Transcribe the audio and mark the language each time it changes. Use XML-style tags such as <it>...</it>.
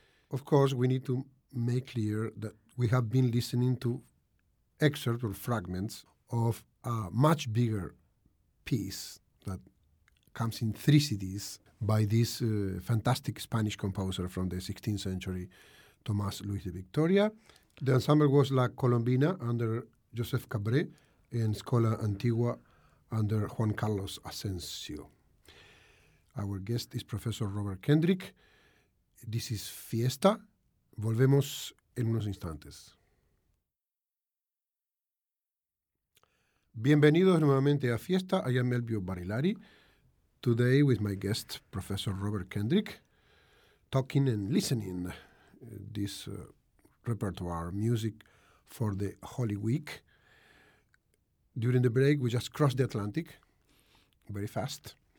<en>Of course, we need to make clear that we have been listening to excerpts or fragments of a much bigger piece that comes in 3 CDs by this fantastic Spanish composer from the 16th century, Tomás Luis de Victoria. The ensemble was La Colombina under Joseph Cabré and Escola Antigua under Juan Carlos Asensio. Our guest is Professor Robert Kendrick. This is Fiesta.</en> <es>Volvemos en unos instantes. Bienvenidos nuevamente a Fiesta.</es> <en>I am Elvio Barilari. Today with my guest, Professor Robert Kendrick, talking and listening this repertoire, music for the Holy Week. During the break, we just crossed the Atlantic very fast.</en>